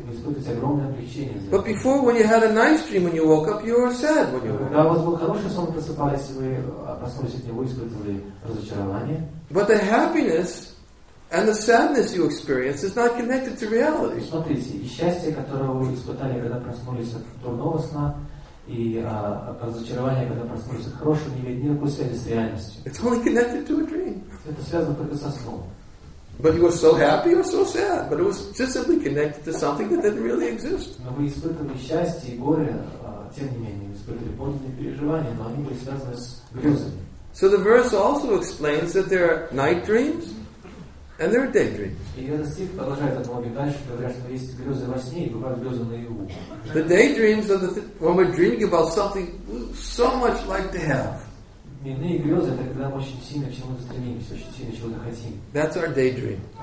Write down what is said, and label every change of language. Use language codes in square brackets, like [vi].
[en] But before, when you had a nice dream when you woke up, you were sad when you woke up. But the happiness and the sadness you experience is not connected to reality. [ru] Смотрите, и счастье, которое вы испытали, когда проснулись от дурного сна, и разочарование, когда проснулись от хорошего, не имеет никакой связи с реальностью. [en] It's only connected to a dream. [ru] Это связано только со сном. [en] But you were so happy or so sad, but it was just simply connected to something that didn't really exist. [ru] Но вы испытывали счастье и горе, тем не менее, испытывали подлинные переживания, но они были связаны с грезами. [en] So the verse also explains that there are night dreams. And there are daydreams. The daydreams are when we're dreaming about something we so much like to have. That's our daydream.